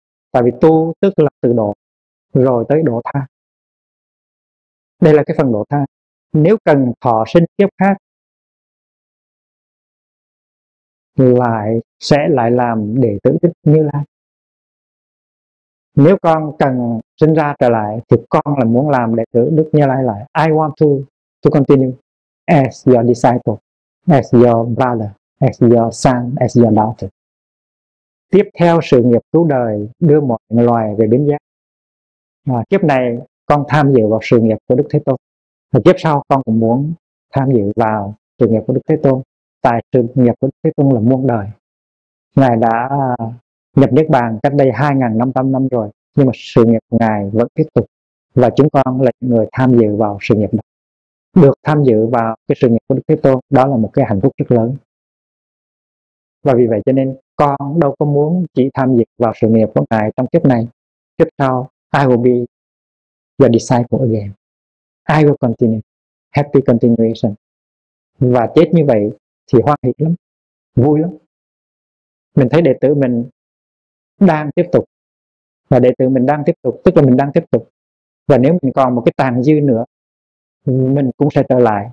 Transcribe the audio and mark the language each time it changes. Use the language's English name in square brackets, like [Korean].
[Vietnamese] Tại vì tu tức là tự độ, rồi tới độ tha. Đây là cái phần độ tha. Nếu cần thọ sinh kiếp khác, lại sẽ lại làm đệ tử Thích Như Lai. Nếu con cần sinh ra trở lại thì con là muốn làm đệ tử Đức Như Lai lại. [English] I want to continue as your disciple, as your brother, as your son, as your daughter. [Vietnamese] Tiếp theo sự nghiệp cứu đời, đưa mọi loài về đến giác. À, kiếp này con tham dự vào sự nghiệp của Đức Thế Tôn. Và kiếp sau con cũng muốn tham dự vào sự nghiệp của Đức Thế Tôn. Tại sự nghiệp của Đức Thế Tôn là muôn đời. Ngài đã nhập Niết Bàn cách đây 2.500 năm rồi, nhưng mà sự nghiệp của Ngài vẫn tiếp tục. Và chúng con là những người tham dự vào sự nghiệp đó. Được tham dự vào cái sự nghiệp của Đức Thế Tôn, đó là một cái hạnh phúc rất lớn. Và vì vậy cho nên con đâu có muốn chỉ tham dự vào sự nghiệp của Ngài trong kiếp này. Kiếp sau, [English] I will be your disciple again. I will continue. Happy continuation. [Vietnamese] Và chết như vậy thì hoan hỷ lắm, vui lắm. Mình thấy đệ tử mình đang tiếp tục. Và đệ tử mình đang tiếp tục, tức là mình đang tiếp tục. Và nếu mình còn một cái tàn dư nữa, mình cũng sẽ trở lại.